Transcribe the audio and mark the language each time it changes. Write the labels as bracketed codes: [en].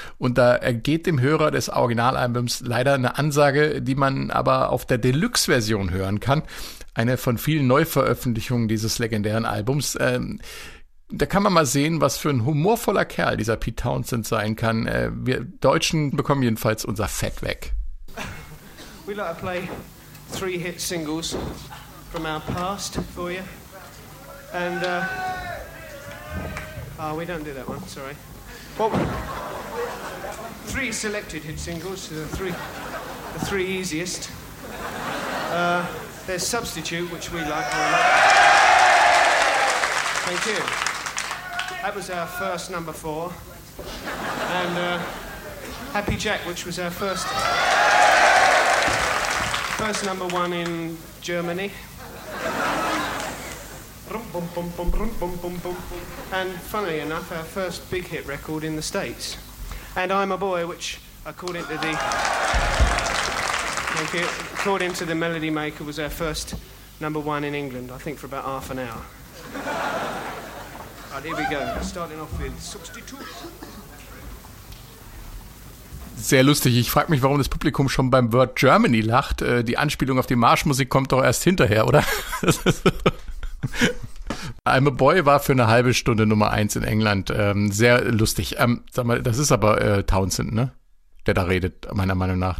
[de] Und da ergeht dem Hörer des Originalalbums leider eine Ansage, die man aber auf der Deluxe-Version hören kann. Eine von vielen Neuveröffentlichungen dieses legendären Albums. Da kann man mal sehen, was für ein humorvoller Kerl dieser Pete Townshend sein kann. Wir Deutschen bekommen jedenfalls unser Fett weg. [en] We like to play 3-Hit-Singles. From our past for you. And, we don't do that one, sorry. Well, 3 selected hit singles, the three easiest. There's Substitute, which we like very much. Thank you. That was our first number 4. And, Happy Jack, which was our first number 1 in Germany. And funnily enough, our first big hit record in the States. And I'm a Boy, which according to the Melody Maker was our first number 1 in England, I think for about half an hour. Right, here we go, starting off with 62. [de] Sehr lustig. Ich frage mich, warum das Publikum schon beim Word Germany lacht. Die Anspielung auf die Marschmusik kommt doch erst hinterher, oder? I'm a Boy war für eine halbe Stunde Nummer 1 in England. Sehr lustig. Sag mal, das ist aber Townshend, ne? Der da redet, meiner Meinung nach.